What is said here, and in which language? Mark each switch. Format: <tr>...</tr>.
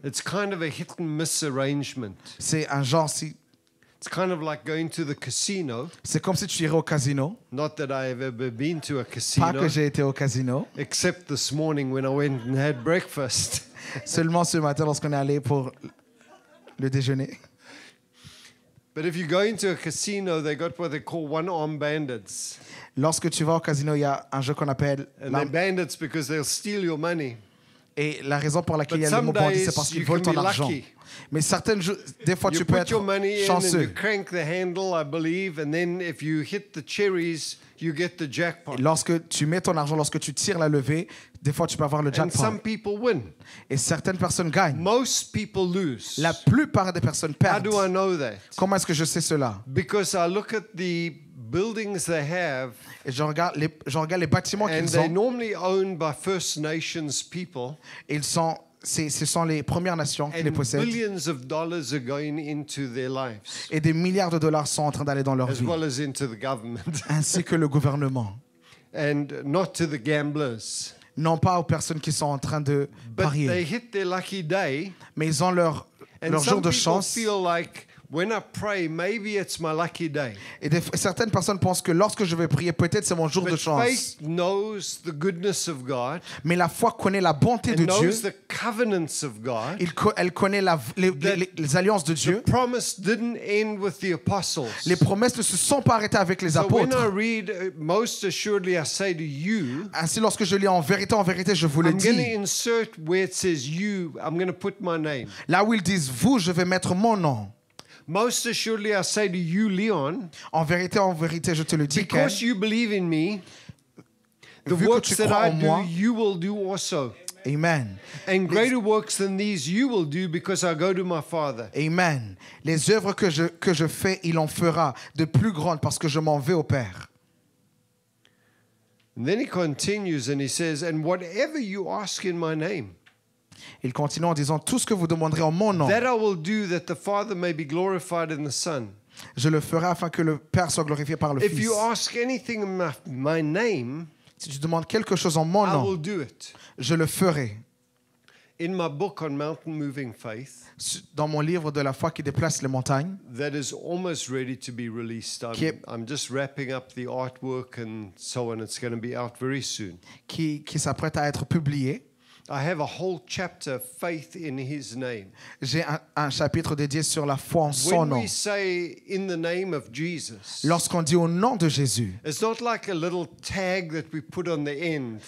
<en>It's kind of a hit and miss arrangement.</en> <fr>C'est un genre si.</fr> <en>It's kind of like going to the casino.</en> <fr>C'est comme si tu irais au casino.</fr> <en>Not that I have ever been to a casino.</en> <fr>Pas que j'ai été au casino.</fr> <en>Except this morning when I went and had breakfast.</en> <fr>Seulement ce matin lorsqu'on est allé pour le déjeuner.</fr> <en>But if you go into a casino, they got what they call one-armed bandits.</en> <fr>Lorsque tu vas au casino, il y a un jeu qu'on appelle.</fr> <en>And they're bandits because they'll steal your money.</en> <fr>Et la raison pour laquelle il y a le mot bandit, c'est parce qu'ils volent ton argent. Mais certaines des fois,</fr> <en>you</en> <fr>tu peux être chanceux.</fr> <en>You put your money</en> <fr>chanceux.</fr> <en>In and you crank the handle, I believe, and then if you hit the cherries, you get the jackpot.</en> <fr>Et lorsque tu mets ton argent, lorsque tu tires la levée, des fois tu peux avoir le jackpot.</fr> <en>And some people win.</en> <fr>Et certaines personnes gagnent.</fr> <en>Most people lose.</en> <fr>La plupart des personnes perdent.</fr> <en>How do I know that?</en> <fr>Comment est-ce que je sais cela?</fr> <en>Because I look at the buildings they have.</en> <fr>Et je regarde les bâtiments qu'ils ont.</fr> <en>And they're normally owned by First Nations people.</en> <fr>Ils sont Ce sont les Premières Nations qui les possèdent. Et des milliards de dollars sont en train d'aller dans leur</fr> <en>as</en> <fr>vie.</fr> <en>Well as into the government.</en> <fr>Ainsi que le gouvernement.</fr> <en>And not to the gamblers.</en> <fr>Non pas aux personnes qui sont en train de</fr> <en>but</en> <fr>parier.</fr> <en>They hit their lucky day,</en> <fr>mais ils ont leur jour de chance.</fr> <en>Feel like when I pray, maybe it's my lucky day.</en> <fr>Et certaines personnes pensent que lorsque je vais prier, peut-être c'est mon jour</fr> <en>but</en> <fr>de chance.</fr> <en>Faith knows the goodness of God,</en> <fr>mais la foi connaît la bonté de</fr> <en>knows</en> <fr>Dieu.</fr> <en>The covenants of God,</en> <fr>elle connaît les alliances de Dieu.</fr> <en>The promise didn't end with the apostles.</en> <fr>Les promesses ne se sont pas arrêtées avec les</fr> <en>so</en> <fr>apôtres.</fr> <en>When I read, most assuredly I say to you,</en> <fr>ainsi, lorsque je lis en vérité, je vous le dis.</fr> <en>I'm going to insert where it says you, I'm going to put my name.</en> <fr>Là où ils disent vous, je vais mettre mon nom.</fr> <en>Most assuredly, I say to you, Leon.</en> <fr>En vérité, je te le dis.</fr> <en>Because you believe in me, the works that I do, you will do also. Amen. And greater works than these you will do, because I go to my Father. Amen.</en> <fr>Les œuvres que je fais, il en fera de plus grandes, parce que je m'en vais au Père.</fr> <en>And then he continues, and he says, and whatever you ask in my name.</en> <fr>Il continue en disant, tout ce que vous demanderez en mon nom,</fr> <en>that I will do that the Father may be glorified in the Son.</en> <fr>Je le ferai afin que le Père soit glorifié par le</fr> <en>if</en> <fr>Fils.</fr> <en>You ask anything in my name,</en> <fr>si tu demandes quelque chose en mon</fr> <en>I</en> <fr>nom,</fr> <en>will do it.</en> <fr>Je le ferai.</fr> <en>In my book on mountain moving faith,</en> <fr>dans mon livre de la foi qui déplace les montagnes,</fr> <en>that is almost ready to be released. I'm just wrapping up the artwork and so on. It's going to be out very soon.</en> <fr>Qui s'apprête à être publié.</fr> <en>I have a whole chapter faith in his name.</en> <fr>J'ai un chapitre dédié sur la foi en son nom.</fr> <en>When we say in the name of Jesus.</en> <fr>Lorsqu'on dit au nom de Jésus.</fr> <en>It's not like a little tag that we put on the end.</en>